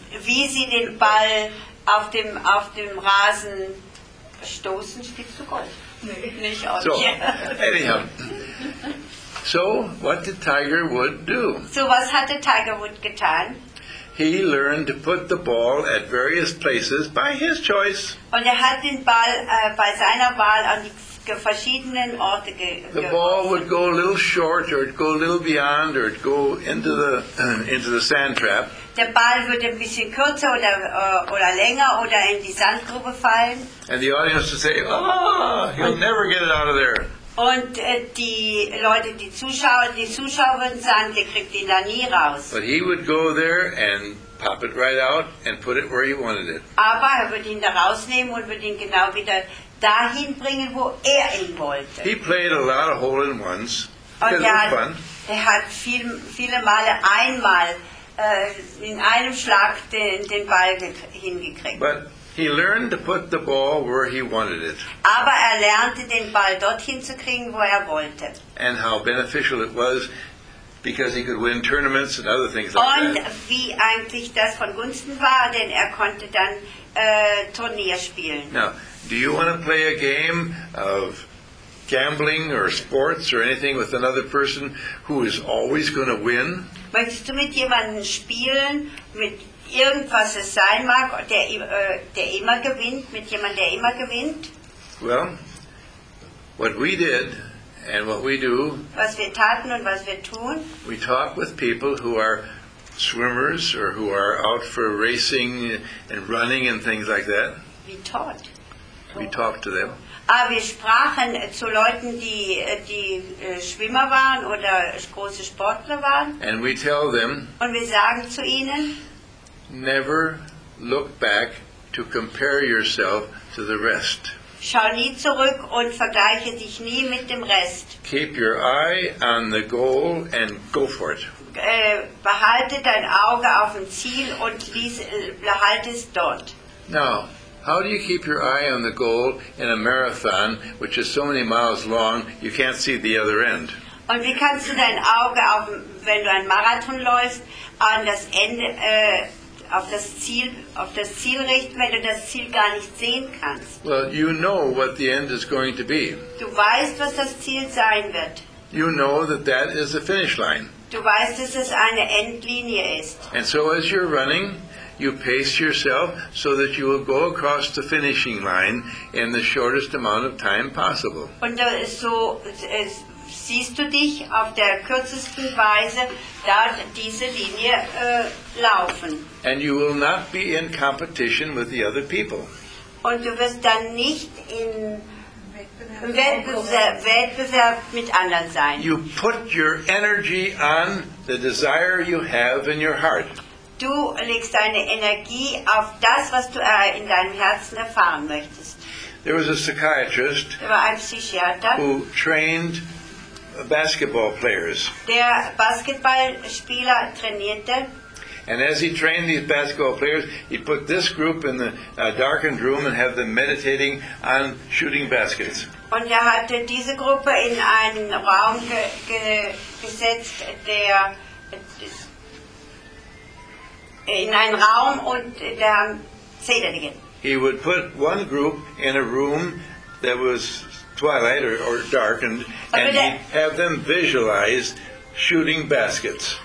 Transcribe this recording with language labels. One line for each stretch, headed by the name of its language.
German: Wie sie den Ball auf dem Rasen stoßen. Spielst du Golf? Nee, nicht auch.
English: So, anyhow. So, what did Tiger Woods do?
German: So, was hatte Tiger Woods getan?
English: He learned to put the ball at various places by his choice.
German: Und hat den Ball bei seiner Wahl an die verschiedenen Orte
English: the ball would go a little short, or it'd go a little beyond, or it'd go into the sand trap.
German: Der Ball würde ein bisschen kürzer oder länger oder in die Sandgrube fallen.
English: And the audience would say, he'll never get it out of there.
German: Und die Zuschauer würden sagen, der kriegt ihn da nie raus.
English: But he would go there and pop it right out and put it where he wanted it.
German: Aber er würde ihn da rausnehmen und würde ihn genau wieder dahin bringen, wo ihn wollte.
English: He played a lot of hole-in-ones.
German: Er hat viele Male einmal in einem Schlag den Ball hingekriegt.
English: But he learned to put the ball where he wanted it.
German: Aber er lernte, den Ball dorthin zu kriegen, wo wollte.
English: And how beneficial it was, because he could win tournaments and other things like
German: und
English: that.
German: Und wie eigentlich das von Gunsten war, denn konnte dann Turnier spielen.
English: Now, do you want to play a game of gambling or sports or anything with another person who is always going to win?
German: Möchtest du mit jemandem spielen, mit irgendwas es sein mag, der immer gewinnt, mit jemandem, der immer gewinnt?
English: Well, what we did, And what we do,
German: was wir taten und was wir tun,
English: we talk with people who are swimmers or who are out for racing and running and things like that. We talk to them.
German: Ah, wir sprachen zu Leuten, die Schwimmer waren oder große Sportler waren.
English: And we tell them,
German: und wir sagen zu ihnen,
English: never look back to compare yourself to the rest.
German: Schau nie zurück und vergleiche dich nie mit dem Rest.
English: Keep your eye on the goal and go for it.
German: Behalte dein Auge auf dem Ziel und behalte es dort.
English: Now, how do you keep your eye on the goal in a marathon, which is so many miles long, you can't see the other end?
German: Und wie kannst du dein Auge auf, wenn du einen Marathon läufst, an das Ende, auf das Ziel richten, wenn du das Ziel gar nicht sehen kannst?
English: Well, you know what the end is going to be.
German: Du weißt, was das Ziel sein wird.
English: You know that that is the finish line.
German: Du weißt, dass es eine Endlinie ist.
English: And so as you're running, you pace yourself so that you will go across the finishing line in the shortest amount of time possible.
German: Und so siehst du dich auf der kürzesten Weise da diese Linie laufen.
English: And you will not be in competition with the other people.
German: Und du wirst dann nicht in Wettbewerb mit anderen sein.
English: You put your energy on the desire you have in your heart.
German: Du legst deine Energie auf das, was du in deinem Herzen erfahren möchtest.
English: There was a psychiatrist,
German: der war ein Psychiater,
English: who trained basketball players.
German: Der Basketballspieler trainierte.
English: And as he trained these basketball players, he put this group in the darkened room and had them meditating on shooting baskets.
German: Und er hatte diese Gruppe in einen Raum gesetzt, der in einen Raum und der Zederigen.
English: He would put one group in a room that was twilight or darkened and he'd have them visualize shooting baskets.